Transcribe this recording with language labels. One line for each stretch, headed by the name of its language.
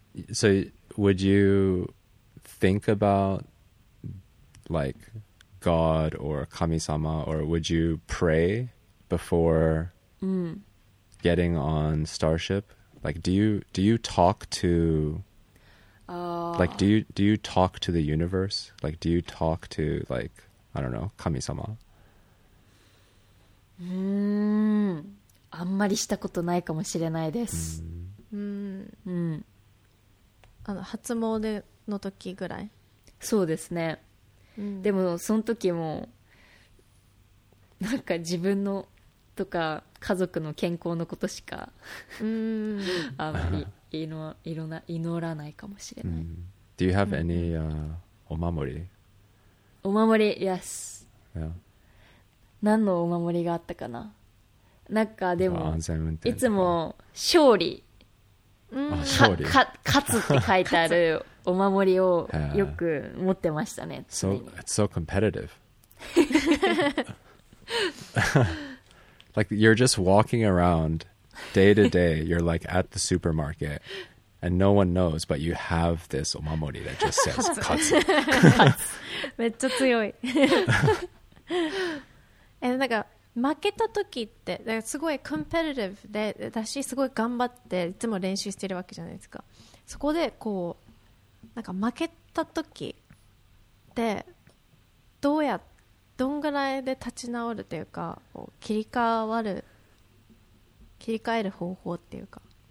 English: So would you think about like God or 神様 or would you pray before、
Japanese: うん、
English: getting on Starship? Like do you talk to、like do you talk to the universe? Like do you talk to like I don't know 神様。
Japanese: うーん、あんまりしたことないかもしれないです。うん。うん。あの、初詣の時ぐらい？そうですね。うん、でも、その時も、なんか自分のとか家族の健康のことしか、うん、あんまり祈らないかもしれない。うん、
English: Do you have any、お守り？
Japanese: お守り、
English: yes。 Yeah.
Japanese: 何のお守りがあったかな？なんかでも安全運転いつも勝利、うん、勝つって書いてあるお守りをよく持ってましたね。
English: So, it's so competitive. Like you're just walking around day to day. You're like at the supermarket and no one knows, but you have this お守りthat just says 勝つ。
Japanese: めっちゃ強い。え、なんか負けた時ってだからすごいコンペティティブで私すごい頑張っていつも練習してるわけじゃないですか。そこでこうなんか負けた時ってどんぐらいで立ち直るというかこう切り替える方法っていうか